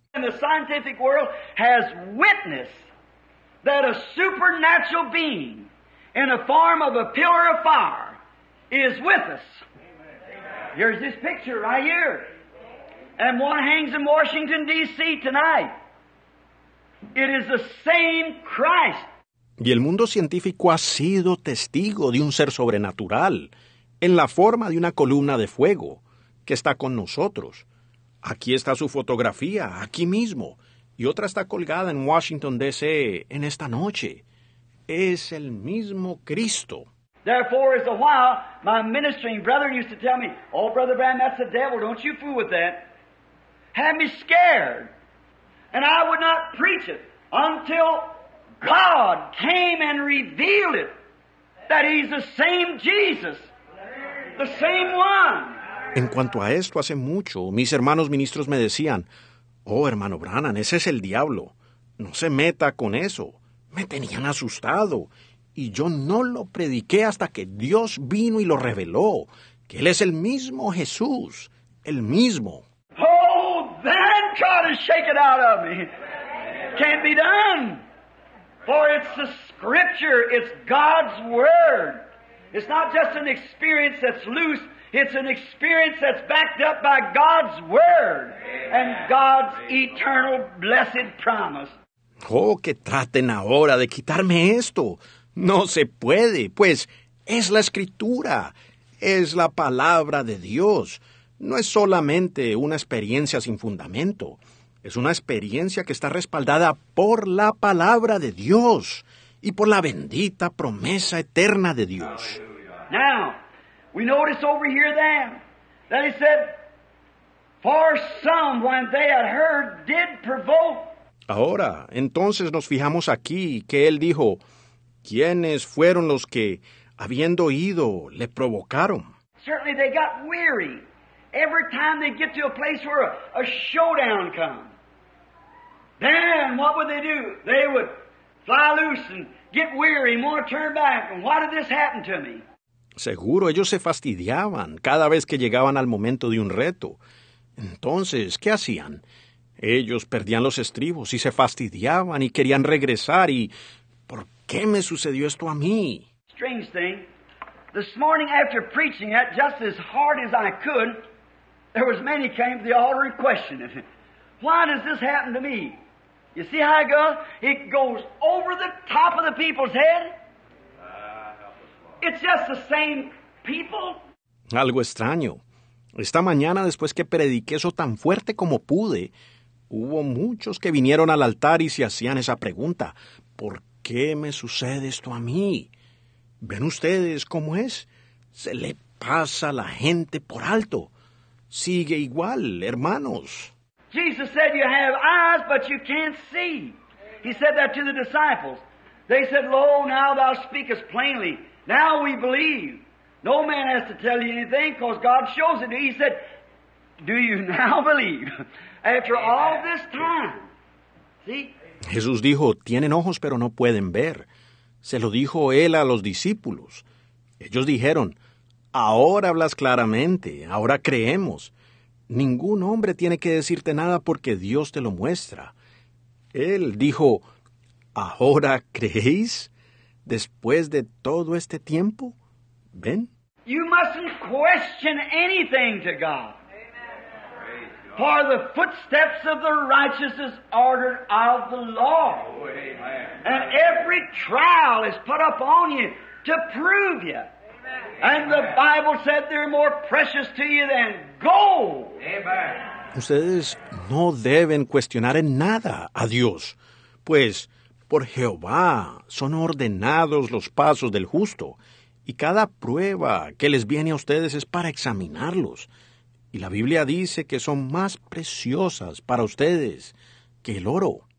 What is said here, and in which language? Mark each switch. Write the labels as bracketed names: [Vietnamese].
[English] And the scientific world has witnessed that a supernatural being in the form of a pillar of fire is with us. Here's this picture right here. And one hangs in Washington, D.C. tonight. It is the same Christ. [Spanish] Y el mundo científico ha sido testigo de un ser sobrenatural en la forma de una columna de fuego que está con nosotros. Aquí está su fotografía, aquí mismo. Y otra está colgada en Washington, D.C. en esta noche. Es el mismo Cristo. [English] Therefore, as a while, my ministering brethren used to tell me, oh, Brother Bram, that's the devil, don't you fool with that. Had me scared. And I would not preach it until God came and revealed it, that He's the same Jesus, the same one. [Spanish] En cuanto a esto, hace mucho, mis hermanos ministros me decían, oh, hermano Branham, ese es el diablo. No se meta con eso. Me tenían asustado. Y yo no lo prediqué hasta que Dios vino y lo reveló, que Él es el mismo Jesús, el mismo. [English] Oh, then try to shake it out of me. Can't be done. For it's the Scripture, it's God's Word. It's not just an experience that's loose, it's an experience that's backed up by God's Word and God's eternal blessed promise. [Spanish] Oh, que traten ahora de quitarme esto. No se puede, pues es la Escritura, es la Palabra de Dios. No es solamente una experiencia sin fundamento. Es una experiencia que está respaldada por la Palabra de Dios y por la bendita promesa eterna de Dios. [English] Now, we notice over here then, that he said, for some, when they had heard, did provoke. [Spanish] Ahora, entonces nos fijamos aquí que él dijo, ¿quiénes fueron los que, habiendo oído, le provocaron? [English] Certainly they got weary every time they get to a place where a showdown comes. Then what would they do? They would fly loose and get weary and want to turn back. And why did this happen to me? [Spanish] Seguro ellos se fastidiaban cada vez que llegaban al momento de un reto. Entonces, ¿qué hacían? Ellos perdían los estribos y se fastidiaban y querían regresar y... ¿Qué me sucedió esto a mí? [English] Strange thing. This morning after preaching that just as hard as I could, there was many came to the altar and questioned it. Why does this happen to me? You see how it goes? It goes over the top of the people's head. It's just the same people. [Spanish] Algo extraño. Esta mañana, después que prediqué eso tan fuerte como pude, hubo muchos que vinieron al altar y se hacían esa pregunta. ¿Por qué? ¿Qué me sucede esto a mí? ¿Ven ustedes cómo es? Se le pasa a la gente por alto. Sigue igual, hermanos. [English] Jesus said you have eyes, but you can't see. He said that to the disciples. They said, lo, now thou speakest plainly. Now we believe. No man has to tell you anything, because God shows it to you. He said, do you now believe? After all this time. See? [Spanish] Jesús dijo, tienen ojos, pero no pueden ver. Se lo dijo Él a los discípulos. Ellos dijeron, ahora hablas claramente, ahora creemos. Ningún hombre tiene que decirte nada porque Dios te lo muestra. Él dijo, ¿ahora creéis después de todo este tiempo? ¿Ven? [English] You mustn't question anything to God. For the footsteps of the righteous is ordered of the law. And every trial is put upon you to prove you. And the Bible said they're more precious to you than gold. [Spanish] Ustedes no deben cuestionar en nada a Dios, pues por Jehová son ordenados los pasos del justo, y cada prueba que les viene a ustedes es para examinarlos. Y la Biblia dice que son más preciosas para ustedes que el oro.